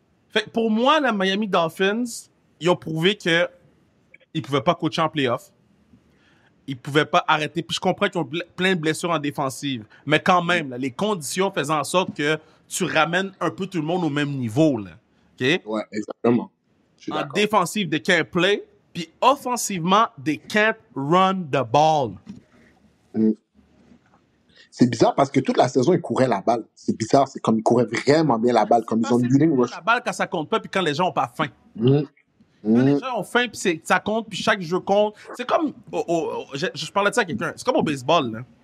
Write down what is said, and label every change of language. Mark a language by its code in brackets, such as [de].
[fr] Fait, pour moi, la Miami Dolphins, ils ont prouvé que ils pouvaient pas coacher en playoff. Ils ne pouvaient pas arrêter. Puis je comprends qu'ils ont plein de blessures en défensive. Mais quand même, là, les conditions faisant en sorte que tu ramènes un peu tout le monde au même niveau. Là. OK? Ouais, exactement. J'suis en défensive, [en] they can't play. [fr] Puis offensivement, [en] they can't run the ball. [fr] C'est bizarre parce que toute la saison, ils couraient la balle. C'est bizarre. C'est comme ils couraient vraiment bien la balle. Comme ils ont une rush. La balle quand ça compte pas, puis quand les gens n'ont pas faim. Les gens ont faim, puis ça compte, puis chaque jeu compte. C'est comme... Je parlais de ça à quelqu'un. C'est comme au baseball, là.